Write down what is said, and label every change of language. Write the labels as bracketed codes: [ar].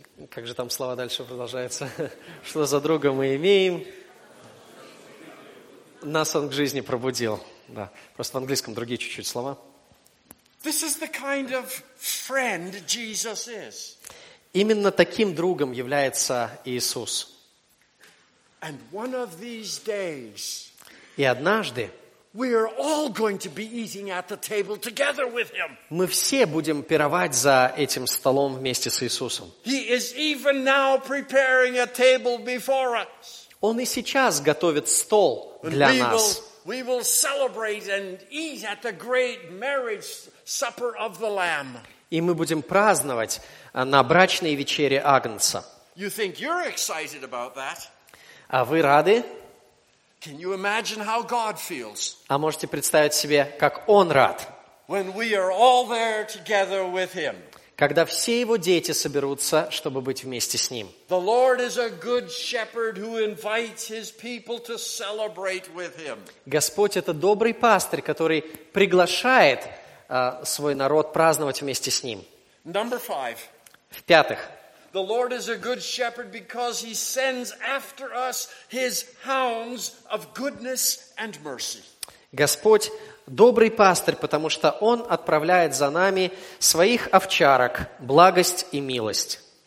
[ru] Как же там слова дальше продолжаются? Что за друга мы имеем? Нас он к жизни пробудил. Да. Просто в английском другие чуть-чуть слова. [en] This is the kind of friend Jesus is. [ru] Именно таким другом является Иисус. [en] And one of these days, [ru] и однажды [en] we are all going to be eating at the table together with him. [ru] Мы все будем пировать за этим столом вместе с Иисусом. [en] He is even now preparing a table before us. [ru] Он и сейчас готовит стол для нас. [en] We will celebrate and eat at the great marriage supper of the Lamb. [ru] И мы будем праздновать на брачной вечере Агнца. [en] You think you're excited about that? [ru] А вы рады? [en] Can you imagine how God feels? [ru] А можете представить себе, как Он рад? [en] When we are all there together with Him. [ru] когда все его дети соберутся, чтобы быть вместе с ним. [en] The Lord is a good shepherd who invites his people to celebrate with him. [ru] Господь это добрый пастырь, который приглашает свой народ праздновать вместе с ним. [en] Number five. [ru] В-пятых. [en] The Lord is a good shepherd because he sends after us his hounds of goodness and mercy. [ru] Господь добрый пастырь, потому что Он отправляет за нами своих овчарок, благость и милость.